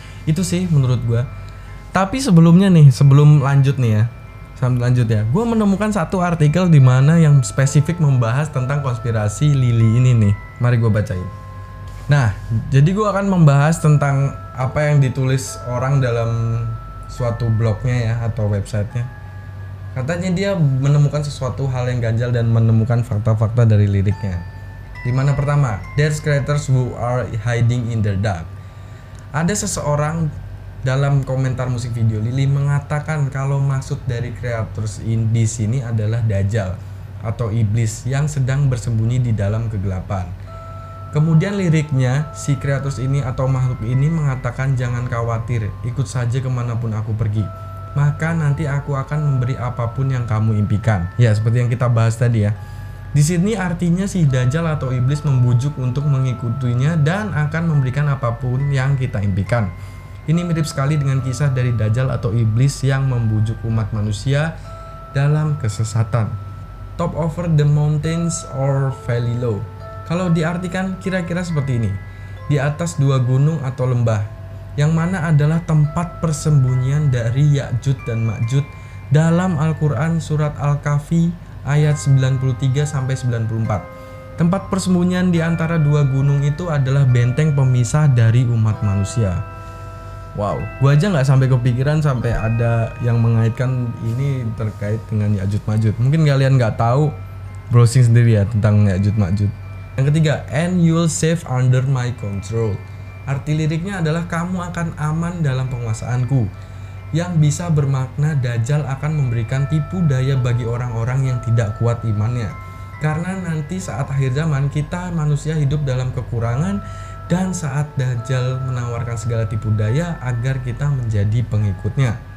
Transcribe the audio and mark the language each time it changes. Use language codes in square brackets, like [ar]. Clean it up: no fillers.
[id] Itu sih menurut gue. Tapi sebelumnya nih, sebelum lanjut nih ya, gue menemukan satu artikel di mana yang spesifik membahas tentang konspirasi Lily ini nih. Mari gue bacain. Nah, jadi gue akan membahas tentang apa yang ditulis orang dalam suatu blognya ya atau websitenya. Katanya dia menemukan sesuatu hal yang ganjal dan menemukan fakta-fakta dari liriknya. Di mana pertama, [en] there's creators who are hiding in the dark. [id] Ada seseorang dalam komentar musik video Lily mengatakan kalau maksud dari creators di sini adalah Dajjal atau iblis yang sedang bersembunyi di dalam kegelapan. Kemudian liriknya, si creators ini atau makhluk ini mengatakan jangan khawatir, ikut saja kemanapun aku pergi. Maka nanti aku akan memberi apapun yang kamu impikan. Ya, seperti yang kita bahas tadi ya. Di sini artinya si Dajjal atau iblis membujuk untuk mengikutinya dan akan memberikan apapun yang kita impikan. Ini mirip sekali dengan kisah dari Dajjal atau iblis yang membujuk umat manusia dalam kesesatan. [en] Top over the mountains or valley low. [id] Kalau diartikan kira-kira seperti ini. Di atas dua gunung atau lembah, yang mana adalah tempat persembunyian dari Ya'juj dan Ma'juj dalam Al-Qur'an surat Al-Kahfi ayat 93 sampai 94. Tempat persembunyian di antara dua gunung itu adalah benteng pemisah dari umat manusia. Wow, gua aja enggak sampai kepikiran sampai ada yang mengaitkan ini terkait dengan Ya'juj Ma'juj. Mungkin kalian enggak tahu, browsing sendiri ya tentang Ya'juj Ma'juj. Yang ketiga, [en] and you'll safe under my control. [id] Arti liriknya adalah kamu akan aman dalam penguasaanku, yang bisa bermakna Dajjal akan memberikan tipu daya bagi orang-orang yang tidak kuat imannya. Karena nanti saat akhir zaman kita manusia hidup dalam kekurangan, dan saat Dajjal menawarkan segala tipu daya agar kita menjadi pengikutnya.